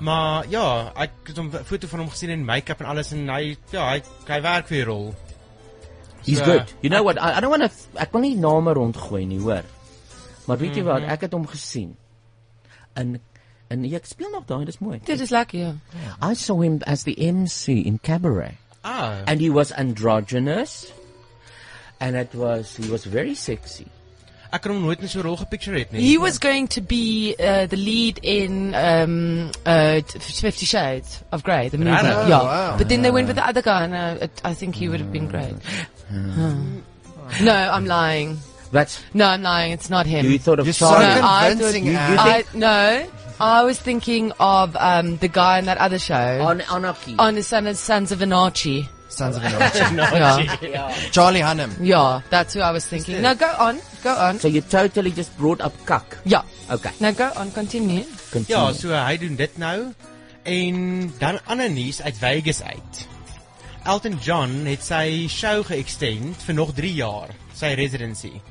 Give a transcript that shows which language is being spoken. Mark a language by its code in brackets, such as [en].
[af] Maar ja, ek het 'n foto van hom gesien in make-up en alles en hy werk vir die rol. [en] He's good. You know what? [af] Ek wil nie name rondgooi nie, hoor. Maar weet jy wat? Ek het hom gesien. En ek speel nog daai, dis mooi. Dit is lekker, ja. [en] I saw him as the MC in Cabaret. Ah. And he was androgynous. And he was very sexy. [af] Ek kan hom nooit in so 'n rol gepicture het nie. [en] He was going to be the lead in 50 Shades of Grey, the movie. Oh, yeah. Wow. But then they went with the other guy, and I think he would have been great. No, I'm lying. That's no, I'm lying. It's not him. You thought of you're Charlie? I was thinking of the guy in that other show. Anarchy. On his Sons of Anarchy. Sons of Anarchy. Yeah. Charlie Hunnam. Yeah, that's who I was thinking. Now go on. So you totally just brought up cuck. Yeah. Okay. Now go on, continue. Yeah, so I do that now. [af] En dan ander nuus uit Vegas uit. Elton John het sy show geëxtend vir nog 3 jaar, sy residency.